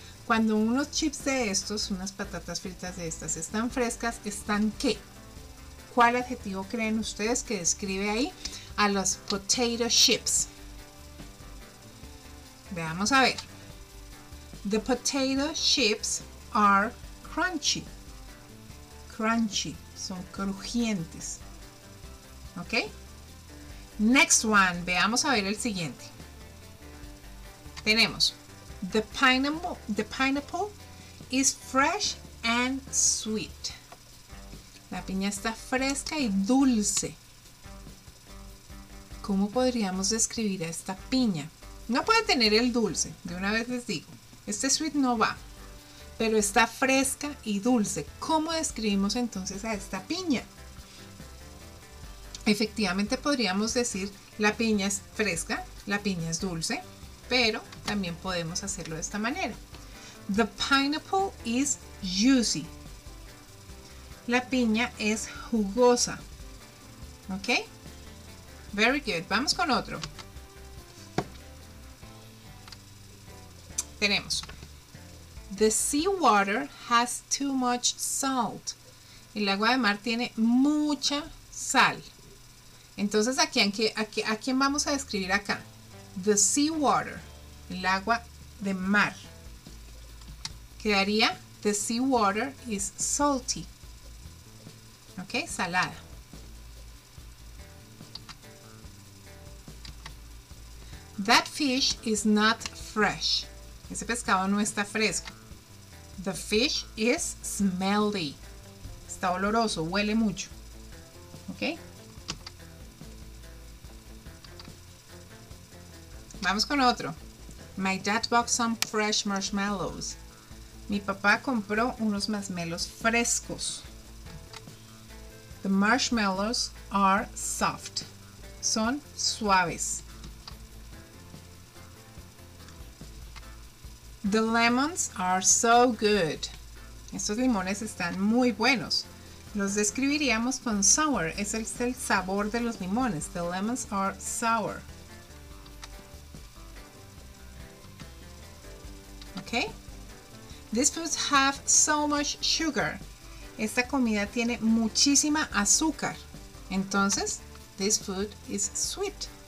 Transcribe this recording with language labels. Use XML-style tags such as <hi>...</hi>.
<es>Cuando unos chips de estos, unas patatas fritas de estas están frescas, ¿están qué? ¿Cuál adjetivo creen ustedes que describe ahí a los potato chips? Veamos a ver.</es> <en>The potato chips are crunchy.</en> <es>Crunchy, son crujientes. ¿Ok?</es> <en>Next one,</en> <es>veamos a ver el siguiente. Tenemos</es> <en>the pineapple is fresh and sweet.</en> <es>La piña está fresca y dulce. ¿Cómo podríamos describir a esta piña? No puede tener el dulce, de una vez les digo. Este sweet no va, pero está fresca y dulce. ¿Cómo describimos entonces a esta piña? Efectivamente podríamos decir la piña es fresca, la piña es dulce, pero también podemos hacerlo de esta manera.</es> <en>The pineapple is juicy.</en> <es>La piña es jugosa. ¿Ok?</es> <en>Very good.</en> <es>Vamos con otro. Tenemos.</es> <en>The seawater has too much salt.</en> <es>El agua de mar tiene mucha sal. Entonces, ¿a quién vamos a describir acá?</es> <en>The seawater,</en> <es>el agua de mar. Quedaría,</es> <en>the seawater is salty.</en> <es>¿Ok? Salada.</es> <en>That fish is not fresh.</en> <es>Ese pescado no está fresco.</es> <en>The fish is smelly.</en> <es>Está oloroso, huele mucho. ¿Ok? Vamos con otro.</es> <en>My dad bought some fresh marshmallows.</en> <es>Mi papá compró unos masmelos frescos.</es> <en>The marshmallows are soft.</en> <es>Son suaves.</es> <en>The lemons are so good.</en> <es>Estos limones están muy buenos. Los describiríamos con sour. Es el sabor de los limones.</es> <en>The lemons are sour. Okay. These foods have so much sugar.</en> <es>Esta comida tiene muchísima azúcar. Entonces,</es> <en>this food is sweet.</en>